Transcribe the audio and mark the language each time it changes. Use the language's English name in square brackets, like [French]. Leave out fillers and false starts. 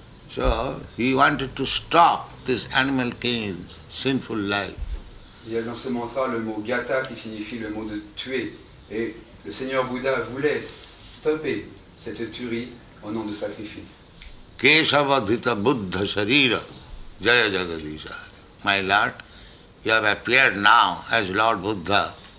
[English] So he wanted to stop this animal king's sinful life. [French] Il y a dans ce mantra le mot gata qui signifie le mot de tuer. Et le Seigneur Bouddha voulait stopper cette tuerie au nom de sacrifice. [Sanskrit] Keshavadhita buddha sharira jaya jagadisha. [English] My Lord, you have appeared now as Lord Buddha.